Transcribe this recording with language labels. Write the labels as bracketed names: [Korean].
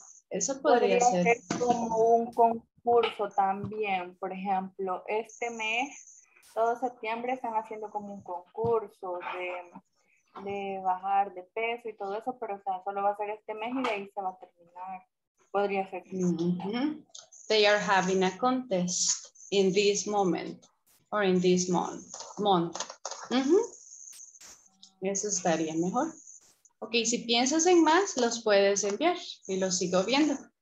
[Spanish] Eso podría ser. Podría ser como un concurso también. Por ejemplo, este mes, todo septiembre, están haciendo como un concurso de bajar de peso y todo eso, pero o sea, solo va a ser este mes y de ahí se va a terminar. Podría ser. [English] They are having a contest in this moment or in this month. [Spanish] Eso estaría mejor. Ok, si piensas en más, los puedes enviar y los sigo viendo.